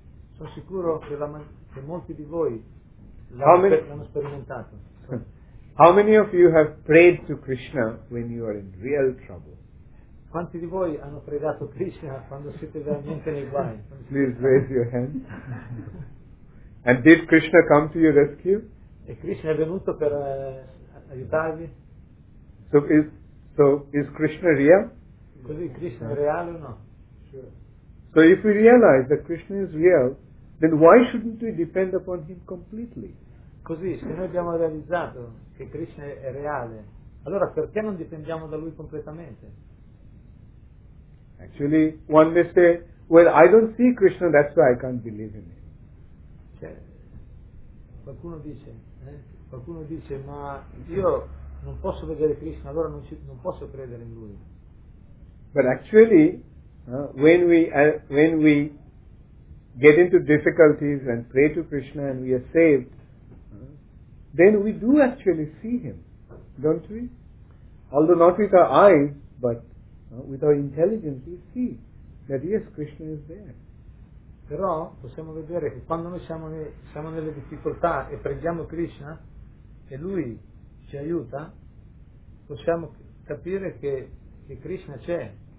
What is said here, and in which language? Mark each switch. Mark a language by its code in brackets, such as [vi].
[it] Sono sicuro che molti di voi l'hanno sperimentato. [en] How many of you have prayed to Krishna when you are in real trouble? [it] Quanti di voi hanno pregato Krishna quando siete veramente nei guai? [en] Please raise your hand. And did Krishna come to your rescue? [it] E Krishna è venuto per aiutarvi? [en] So is Krishna real? [it] Così Krishna è reale o no? [en] So if we realize that Krishna is real, then why shouldn't we depend upon him completely? [it] Così, se noi abbiamo realizzato che Krishna è reale, allora perché non dipendiamo da lui completamente? [en] Actually, one may say, well, I don't see Krishna, that's why I can't believe in him. [it] Cioè, qualcuno dice, ma io non posso vedere Krishna, allora non posso credere in lui. [en] But actually, when we get into difficulties and pray to Krishna and we are saved, then we do actually see Him, don't we? Although not with our eyes, but with our intelligence, we see that yes, Krishna is there. [it] Però possiamo vedere che quando noi siamo nelle difficoltà e preghiamo Krishna e Lui ci aiuta, possiamo capire che Krishna c'è.